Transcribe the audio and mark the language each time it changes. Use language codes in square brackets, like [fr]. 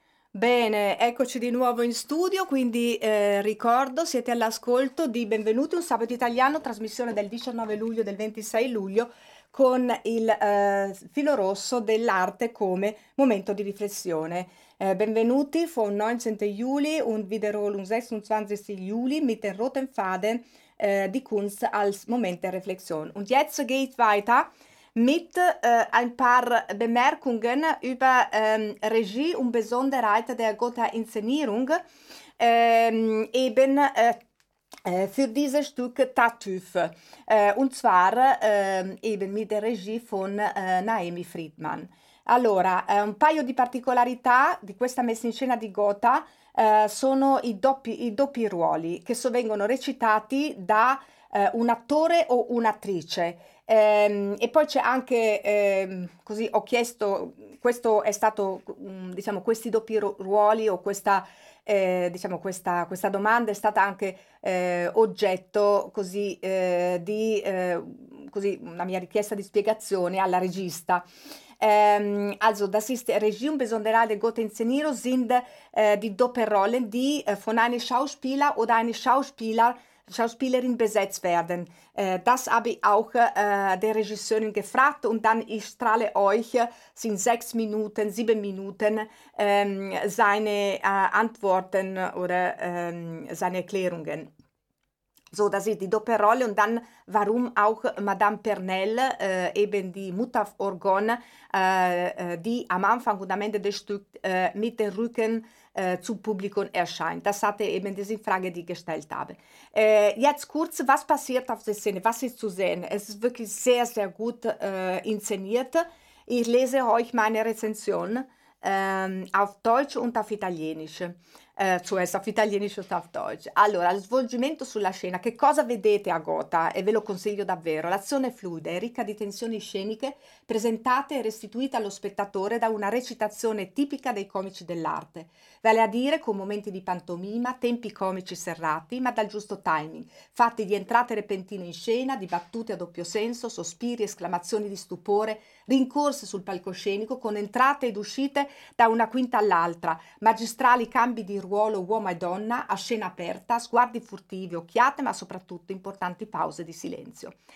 [it] Bene, eccoci di nuovo in studio, quindi ricordo, siete all'ascolto di Benvenuti un sabato italiano, trasmissione del 19 luglio, del 26 luglio, con il filo rosso dell'arte come momento di riflessione. [de] Benvenuti, von 19. Juli und wiederholen um 26. Juli mit den roten Faden di Kunst als Moment der Reflexion. Und jetzt geht weiter mit ein paar Bemerkungen über Regie und Besonderheit der Gotha-Inszenierung, eben für dieses Stück Tartuff, und zwar eben mit der Regie von Naomi Friedman. [it] Allora, un paio di particolarità di questa messa in scena di Gotha sono i doppi ruoli che sovvengono recitati da un attore o un'attrice. E poi c'è anche, così ho chiesto, questo è stato, diciamo, questi doppi ruoli o questa, diciamo, questa domanda è stata anche oggetto così di così una mia richiesta di spiegazione alla regista. [de] Also das ist Regie und Besonderheit der Gotha-Inszenierung sind die Doppelrollen, die von einem Schauspieler oder einer Schauspielerin besetzt werden. Das habe ich auch der Regisseurin gefragt und dann ich strahle euch, sind 6 Minuten, 7 Minuten, seine Antworten oder seine Erklärungen. So, das ist die Doppelrolle und dann, warum auch Madame Pernell, eben die Mutter Orgon, die am Anfang und am Ende des Stücks mit dem Rücken zum Publikum erscheint. Das hatte eben diese Frage, die ich gestellt habe. Jetzt kurz, was passiert auf der Szene? Was ist zu sehen? Es ist wirklich sehr, sehr gut inszeniert. Ich lese euch meine Rezension auf Deutsch und auf Italienisch. Zuerst auf Italienisch und auf Deutsch. [it] Allora, lo svolgimento sulla scena. Che cosa vedete a Gotha? E ve lo consiglio davvero. L'azione è fluida e ricca di tensioni sceniche presentate e restituite allo spettatore da una recitazione tipica dei comici dell'arte. Vale a dire con momenti di pantomima, tempi comici serrati, ma dal giusto timing, fatti di entrate repentine in scena, di battute a doppio senso, sospiri, esclamazioni di stupore, rincorse sul palcoscenico con entrate ed uscite da una quinta all'altra, magistrali cambi di ruolo uomo e donna, a scena aperta, sguardi furtivi, occhiate, ma soprattutto importanti pause di silenzio.